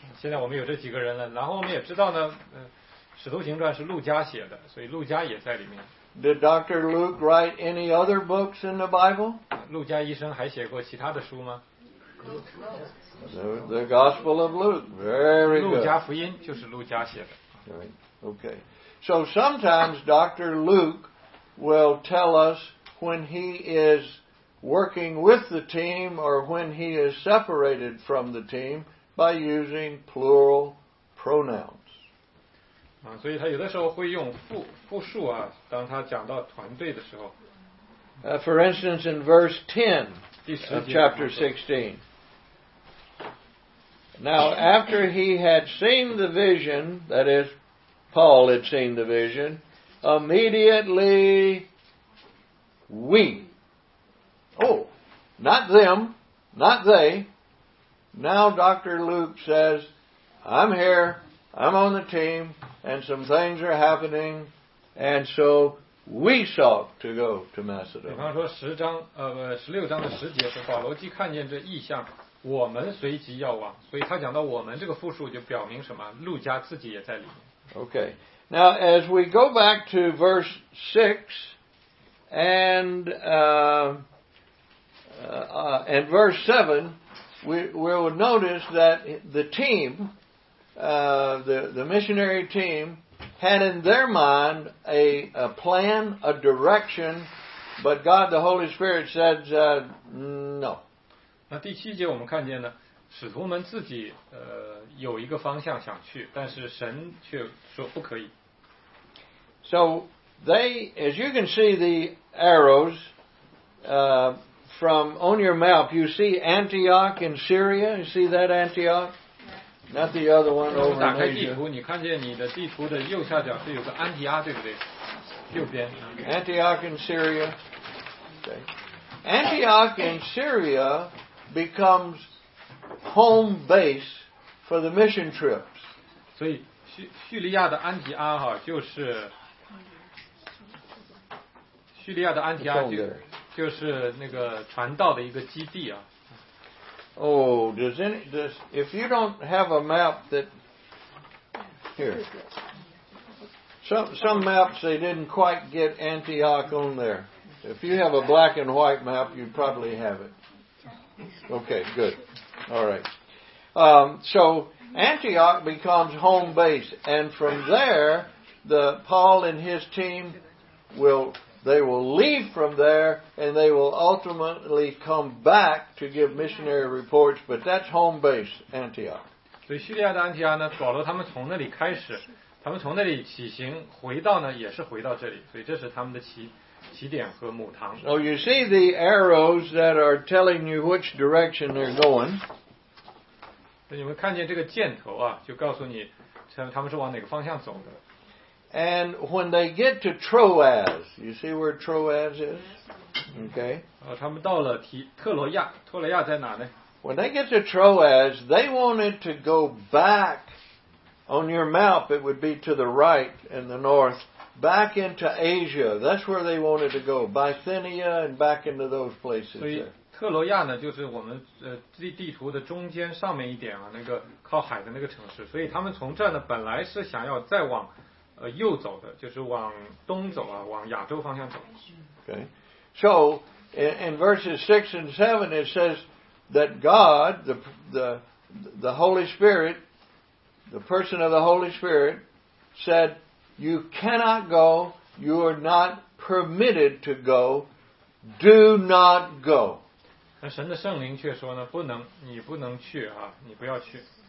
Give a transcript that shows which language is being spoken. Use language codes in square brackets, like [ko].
[zh] 现在我们有这几个人了，然后我们也知道呢，使徒行传是路加写的，所以路加也在里面。 [en] Did Dr. Luke write any other books in the Bible? [zh] 路加医生还写过其他的书吗？ [en] The Gospel of Luke, very good. [zh] 路加福音就是路加写的。 [en] Right. Okay. So sometimes Dr. Luke will tell us when he isworking with the team or when he is separated from the team by using plural pronouns. [zh] 啊，所以他有的时候会用复数啊，当他讲到团队的时候。 [en] For instance, in verse 10 of chapter 16. Now, after he had seen the vision, that is, Paul had seen the vision, immediately we. Oh, not them, not they. Now Dr. Luke says, I'm here, I'm on the team, and some things are happening, and so we sought to go to Macedonia. [zh] 比方说十章十六章的十节是保罗既看见这异象，我们随即要往，所以他讲到我们这个复数就表明什么？路加自己也在里面。 [en] Okay, now as we go back to verse 6 and verse 7, we will notice that the team, the missionary team, had in their mind a plan, a direction, but God the Holy Spirit said, no. [zh] 那第七节我们看见呢，使徒们自己有一个方向想去，但是神却说不可以。 [en] So they, as you can see the arrows, from on your map, you see Antioch in Syria, you see that Antioch? Not the other one over there. [zh] 打开地图，你看见你的地图的右下角是有个安提阿，对不对？右边。 [en] Antioch in Syria. Okay. Antioch in Syria becomes home base for the mission trips. [zh] 所以叙利亚的安提阿哈就是叙利亚的安提阿就是那个传道的一个基地啊。 [en] Oh, does any, does, if you don't have a map that, here, some maps they didn't quite get Antioch on there. If you have a black and white map, you'd probably have it. Okay, good. All right. So Antioch becomes home base, and from there, Paul and his team will leave from there, and they will ultimately come back to give missionary reports, but that's home base, Antioch. [zh] 所以叙利亚的安提阿呢，保罗他们从那里开始，他们从那里起行，回到呢，也是回到这里，所以这是他们的起点和母堂。 [en] So you see the arrows that are telling you which direction they're going. [zh] 所以你们看见这个箭头啊，就告诉你他们是往哪个方向走的。 [en] And when they get to Troas, you see where Troas is? Okay. [zh] 他们到了特罗亚，特罗亚在哪呢？ [en] When they get to Troas, they wanted to go back, on your map it would be to the right in the north, back into Asia. That's where they wanted to go, Bithynia and back into those places. [zh] 所以特罗亚呢，就是我们地图的中间上面一点啊，那个靠海的那个城市。所以他们从这呢，本来是想要再往右走的，就是往东走啊，往亚洲方向走。 [en] Okay. [zh] So, in verses 6 and 7, it says that God, the Holy Spirit, the person of the Holy Spirit, said, you cannot go, you are not permitted to go, do not go. 那神的圣灵却说呢，不能，你不能去啊，你不要去。